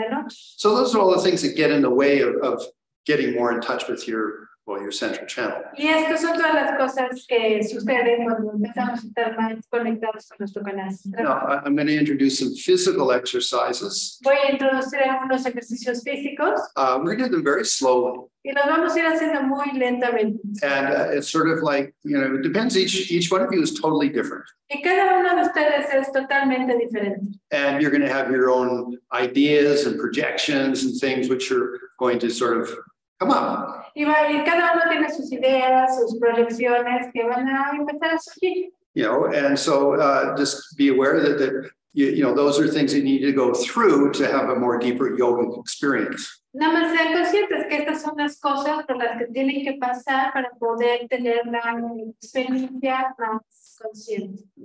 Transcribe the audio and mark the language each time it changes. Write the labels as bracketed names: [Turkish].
[English] So those are all the things that get in the way of getting more in touch with your central channel. [Spanish] Y estas son todas las cosas que suceden cuando empezamos a estar más conectados con nuestro canal. [English] Now, I'm going to introduce some physical exercises. [Spanish] Voy a introducir algunos ejercicios físicos. [English] We're going to do them very slowly. [Spanish] Y los vamos a ir haciendo muy lentamente. [English] And it's sort of like, it depends, each one of you is totally different. [Spanish] Y cada uno de ustedes es totalmente diferente. [English] And you're going to have your own ideas and projections and things which you're going to sort of come on. [Spanish] Y va, y cada uno tiene sus ideas, sus proyecciones que van a empezar a surgir. [English] And so just be aware that you those are things you need to go through to have a more deeper yogic experience. [Spanish] Nada más sean conscientes que estas son las cosas por las que tienen que pasar para poder tener una experiencia más consciente.